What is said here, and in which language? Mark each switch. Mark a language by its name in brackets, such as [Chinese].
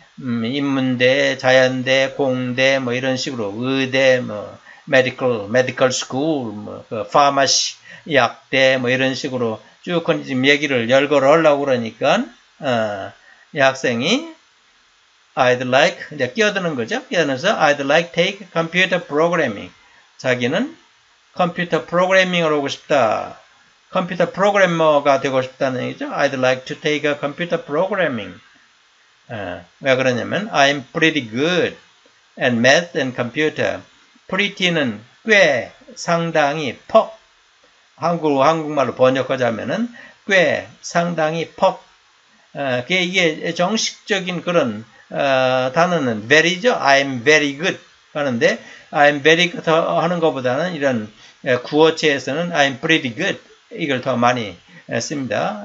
[Korean] 인문대, 자연대, 공대 뭐 이런 식으로 의대, 뭐 메디컬 스쿨, 뭐 파마시, 약대 뭐 이런 식으로 쭉 얘기를 열거를 하려고 그러니까 이 학생이 [English] I'd like, [Korean] 이제 끼어드는 거죠. 끼어들어서 [English] I'd like take computer programming. [Korean] 자기는 컴퓨터 프로그래밍을 하고 싶다. 컴퓨터 프로그래머가 되고 싶다는 얘기죠. [English] I'd like to take a computer programming. [Korean] 왜 그러냐면 [English] I'm pretty good at math and computer. [Korean] Pretty는 꽤, 상당히, 퍽. 한국말로 번역하자면은 꽤, 상당히, 퍽. 이게 정식적인 그런 단어는 very죠. [English] I'm very good [Korean] 하는데, I'm very good 하는 것보다는 이런 구어체에서는 [English] I'm pretty good [Korean] 이걸 더 많이 씁니다.